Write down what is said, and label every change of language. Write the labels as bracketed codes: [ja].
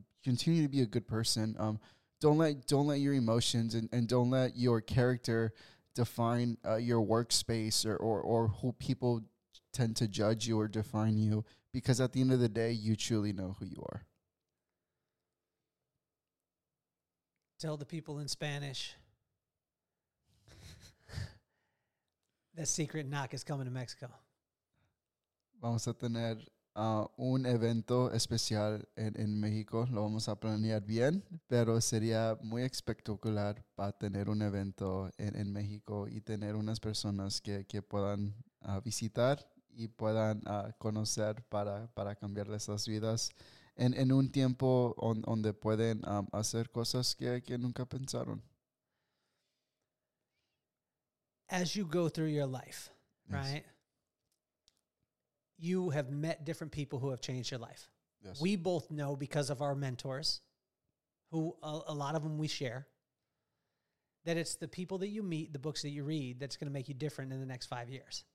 [en] Continue to be a good person. Don't let your emotions and don't let your character define your workspace or who people tend to judge you or define you, because at the end of the day, you truly know who you are. Tell the people in Spanish the secret knock is coming to Mexico. [es] Vamos a tener un evento especial en México. Lo vamos a planear bien, pero sería muy espectacular para tener un evento en México y tener unas personas que puedan visitar y puedan conocer para cambiarles las vidas en un tiempo donde pueden hacer cosas que nunca pensaron. [en] As you go through your life, yes, right, you have met different people who have changed your life. Yes. We both know because of our mentors, who a lot of them we share, that it's the people that you meet, the books that you read, that's going to make you different in the next 5 years.